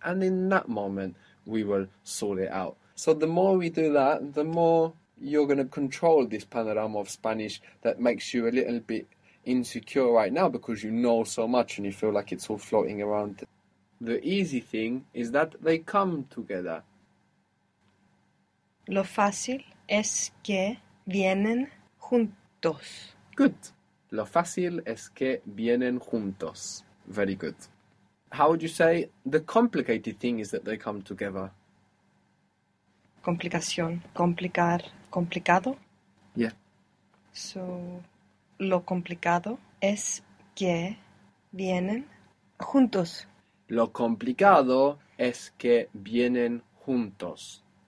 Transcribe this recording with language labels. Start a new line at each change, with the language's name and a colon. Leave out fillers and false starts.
English: And in that moment, we will sort it out. So the more we do that, the more you're going to control this panorama of Spanish that makes you a little bit insecure right now because you know so much and you feel like it's all floating around. The easy thing is that they come together.
Spanish: Lo fácil es que vienen juntos.
English: Good.
Spanish: Lo fácil es que vienen juntos.
English: Very good. How would you say the complicated thing is that they come together?
Spanish: Complicación, complicar, complicado.
English: Yeah.
Spanish: So, lo complicado es que vienen juntos. Lo complicado es que vienen juntos.